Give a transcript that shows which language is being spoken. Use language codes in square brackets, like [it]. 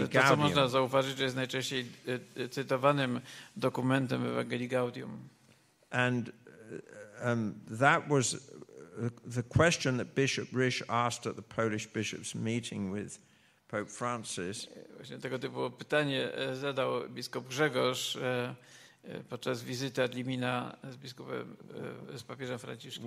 [pl] Ale to, co można zauważyć, że jest najczęściej cytowanym dokumentem w Ewangelii Gaudium. [en] And that was the question that Bishop Rich asked at the Polish bishops' meeting with Pope Francis. [pl] Właśnie tego typu pytanie zadał biskup Grzegorz podczas wizyty ad limina z papieżem Franciszkiem.